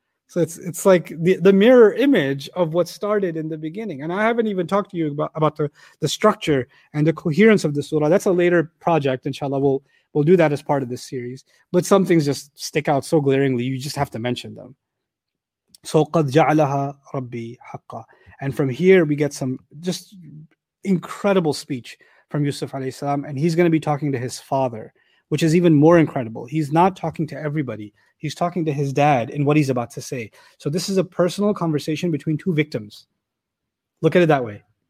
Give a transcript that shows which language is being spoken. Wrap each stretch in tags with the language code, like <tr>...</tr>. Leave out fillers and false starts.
<en>So it's like the mirror image of what started in the beginning. And I haven't even talked to you about the structure and the coherence of the surah. That's a later project, inshallah. We'll do that as part of this series. But some things just stick out so glaringly, you just have to mention them.</en> <ar>So قَدْ جَعْلَهَا رَبِّي حَقَّ.</ar> <en>And from here we get some just incredible speech from Yusuf alayhi salam, and he's going to be talking to his father, which is even more incredible. He's not talking to everybody. He's talking to his dad in what he's about to say. So this is a personal conversation between two victims. Look at it that way.</en>